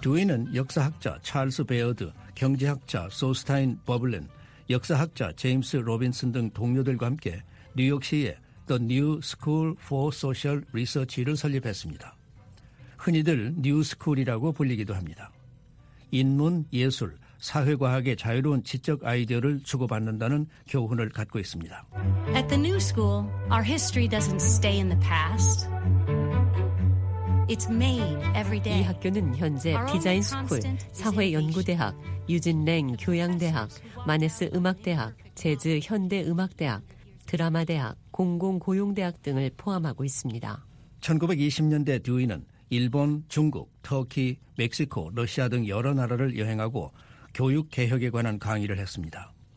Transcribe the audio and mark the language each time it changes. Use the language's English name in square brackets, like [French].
[Korean] 듀이는 역사학자 찰스 베어드, 경제학자 소스타인 버블렌, 역사학자 제임스 로빈슨 등 동료들과 함께 뉴욕시의 The New School for Social Research를 설립했습니다. 흔히들 뉴스쿨이라고 불리기도 합니다. 인문, 예술, 사회과학의 자유로운 지적 아이디어를 주고받는다는 교훈을 갖고 있습니다. [English] At the New School, our history doesn't stay in the past. It's made every day. [Korean] 이 학교는 현재 디자인 스쿨, 사회연구대학, 유진 랭 교양대학, 마네스 음악대학, 재즈 현대음악대학, 드라마대학, 공공고용대학 등을 포함하고 있습니다. 1920년대 듀이는 일본, 중국, 터키, 멕시코, 러시아 등 여러 나라를 여행하고 교육 개혁에 관한 강의를 했습니다.